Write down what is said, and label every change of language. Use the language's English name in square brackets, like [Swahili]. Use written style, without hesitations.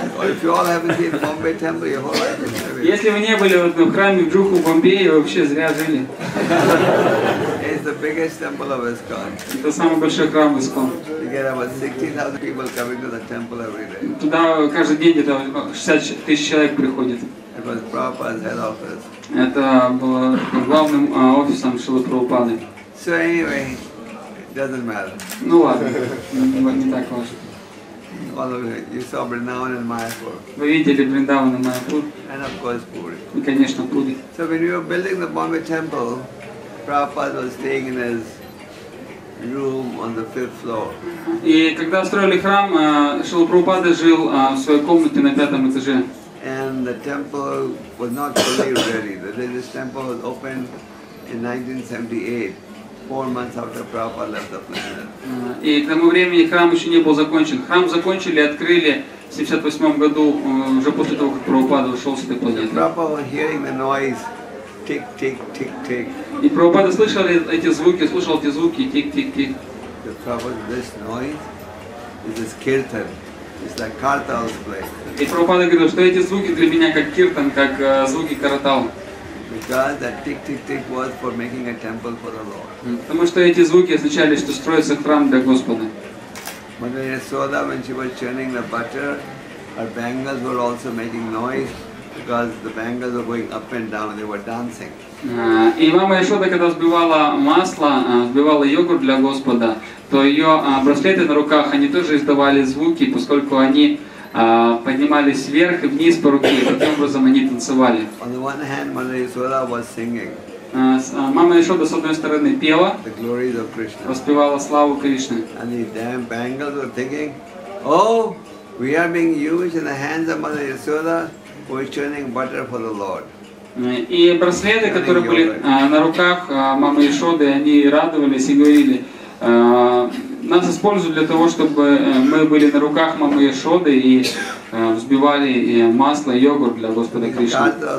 [English] If you all haven't seen the Bombay temple, your whole life is failure. [Russian] Если вы не были в одном храме в Джуху, в Бомбее, вообще зря жили. [English] It's the biggest temple of ISKCON. [Russian] Это самый большой храм ISKCON. [English] You get about 16,000 people coming to the temple every day. [Russian] Туда каждый день это 60 тысяч человек приходит. [English] It was Prabhupada's head office. [Russian] Это было главным офисом Шрилы Прабхупады. [English] So anyway. Doesn't matter. [Russian] Ну ладно, не так важно. [English] You saw Vrindavan and Mayapur. [Russian] Вы видели Вриндаван и Майяпур? [English] And of course Puri. [Russian] И конечно Пури. [English] So when we were building the Bombay temple, Prabhupada was staying in his room on the fifth floor. [Russian] И когда строили храм, Шрила Прабхупада жил в своей комнате на пятом этаже. [English] And the temple was not fully ready. The religious temple was opened in 1978. 4 months after Prabhupada left the planet. [Russian] И к тому времени храм еще не был закончен. Храм закончили, открыли в 78 году, уже после того, как Прабхупада ушел с этой планеты. [English] Prabhupada was hearing the noise, tick, tick, tick, tick. [Russian] И Прабхупада слышал эти звуки, тик, тик, тик. [English] The Prabhupada, this noise, this kirtan, it's like Kartal's play. [Russian] И Прабхупада говорил, что эти звуки для меня как киртан, как звуки Картал. [English] Because that tick tick tick was for making a temple for the Lord. [Russian] Потому что эти звуки означали, что строится храм для Господа. [English] Mother Yashoda, when she was churning the butter, her bangles were also making noise because the bangles were going up and down. They were dancing. [Russian] И мама Яшода, когда взбивала масло, взбивала йогурт для Господа, то ее браслеты на руках, они тоже издавали звуки, поскольку они поднимались вверх и вниз по руке, и таким образом они танцевали. [English] On the one hand, Mother Yashoda was singing. [Russian] Мама Яшода с одной стороны пела, [English] the glories of Krishna. [Russian] Воспевала славу Кришны. [English] And the damn bangles were thinking, oh, we are being used in the hands of Mother Yashoda who is churning butter for the Lord. [Russian] И браслеты, которые были на руках мамы Яшоды, они радовались и говорили, нас используют для того, чтобы мы были на руках мамы Яшоды и взбивали масло, йогурт для Господа Кришны.